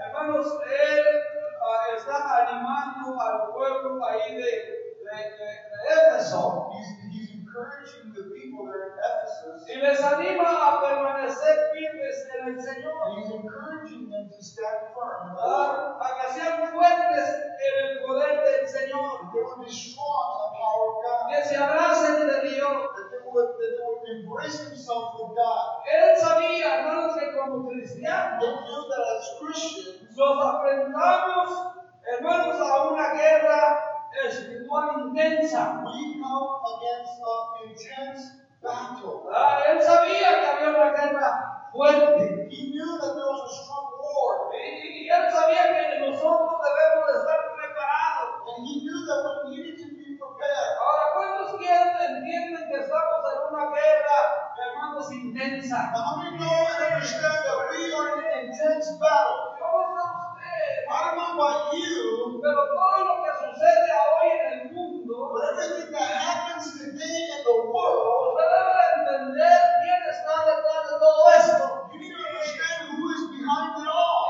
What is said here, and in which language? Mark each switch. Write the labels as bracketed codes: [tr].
[es] Hermanos, él está animando al pueblo ahí de Éfeso. [en] Encouraging the people there in Ephesus. [es] Y les anima a permanecer firmes en el Señor. [en] He's encouraging them to stand firm. [es] Para que sean fuertes en el poder del Señor. [en] They will be strong in the power of God. [es] Que se abracen de Dios. [en] That they will embrace themselves with God. [es] Él sabía, hermanos, que como cristianos, [en] they knew that as Christians, [es] nos enfrentamos, hermanos, a una guerra espiritual intensa. [en] We come against an intense battle. [es] Él sabía que había una guerra fuerte. [en] He knew that there was a strong war. [es] Y él sabía que nosotros debemos estar preparados. [en] And he knew that we needed to be prepared. [es] Ahora, ¿cuántos entienden que estamos en una guerra, hermanos, intensa? [en] How many know and understand that we are in an intense battle? [es] ¿Cómo está usted? [en] I don't know about you. [es] Pero todo lo que sucede hoy en el mundo, [en] but everything that happens today in the world, [es] usted debe entender quién está detrás de todo esto. [en] You need to understand who is behind it all.